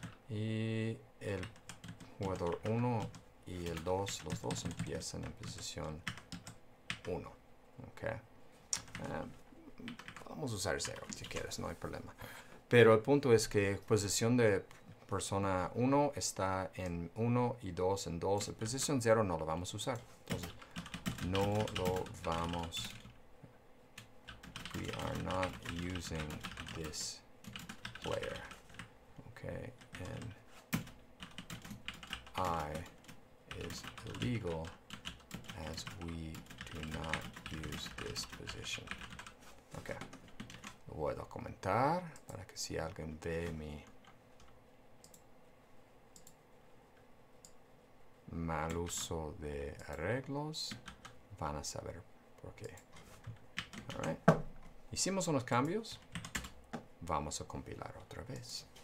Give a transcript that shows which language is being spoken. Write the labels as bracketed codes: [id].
[es] Y el jugador 1 y el 2, los dos empiezan en posición 1. Okay. Vamos a usar 0 si quieres, no hay problema. Pero el punto es que posición de persona 1 está en 1 y 2 en 2. En posición 0 no lo vamos a usar. Entonces, no lo vamos. [en] We are not using this player. Okay. And I is illegal as we do not use this position. Okay. [es] Lo voy a documentar para que si alguien ve mi mal uso de arreglos, van a saber por qué. Alright. Hicimos unos cambios. Vamos a compilar otra vez.